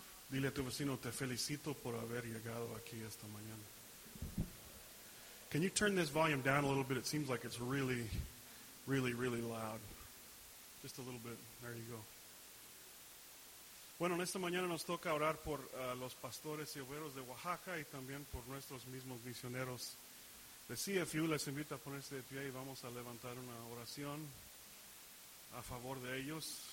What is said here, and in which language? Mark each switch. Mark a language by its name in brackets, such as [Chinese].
[Spanish] Dile a tu vecino, te felicito por haber llegado aquí esta mañana. [English] Can you turn this volume down a little bit? It seems like it's really, really, really loud. Just a little bit. There you go. [Spanish] Bueno, en esta mañana nos toca orar por los pastores y obreros de Oaxaca y también por nuestros mismos misioneros de CFU. Les invito a ponerse de pie y vamos a levantar una oración a favor de ellos.